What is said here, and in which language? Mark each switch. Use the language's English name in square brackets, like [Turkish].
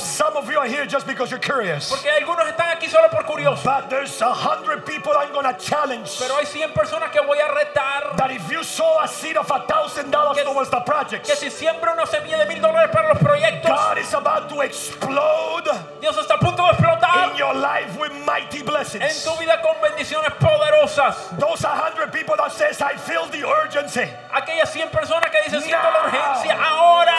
[English] Some of you are here just because you're curious. [Spanish] Porque algunos están aquí solo por curioso. [English] But there's 100 people I'm going to challenge. [Spanish] Pero hay 100 personas que voy a retar, [English] that if you sow a seed of $1,000 towards the projects. [Spanish] Que si siembra una semilla de $1,000 para los proyectos. [English] God is about to explode. [Spanish] Dios está a punto de explotar. [English] In your life with mighty blessings. [Spanish] En tu vida con bendiciones poderosas. [English] Those 100 people that says I feel the urgency. [Spanish] Aquellas 100 personas que dicen siento la urgencia ahora.